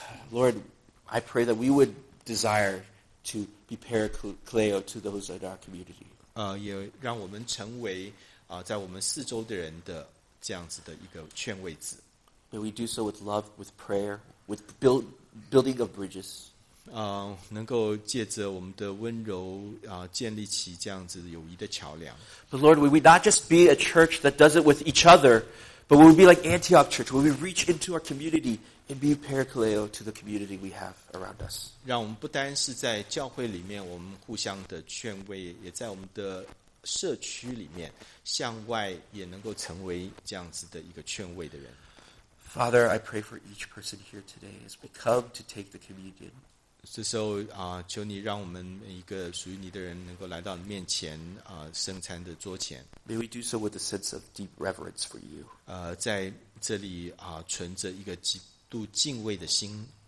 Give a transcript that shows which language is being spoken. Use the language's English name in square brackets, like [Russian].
[English] Lord, I pray that we would desire to be paracleo to those in our community. [Chinese] 也让我们成为在我们四周的人的这样子的一个劝慰子。 [English] May we do so with love, with prayer, with building of bridges. [Chinese] 能够借着我们的温柔建立起这样子友谊的桥梁。 [English] But Lord, will we not just be a church that does it with each other, but will we be like Antioch Church? Will we reach into our community and be parakaleo to the community we have around us? [Chinese] 让我们不单是在教会里面我们互相的劝慰，也在我们的社区里面向外也能够成为这样子的一个劝慰的人。 [English] Father, I pray for each person here today as we come to take the communion. [Chinese] 这时候求你让我们每一个属于你的人能够来到你面前圣餐的桌前。 [English] May we do so with a sense of deep reverence for you. [Chinese] 在这里存着一个极度敬畏的心。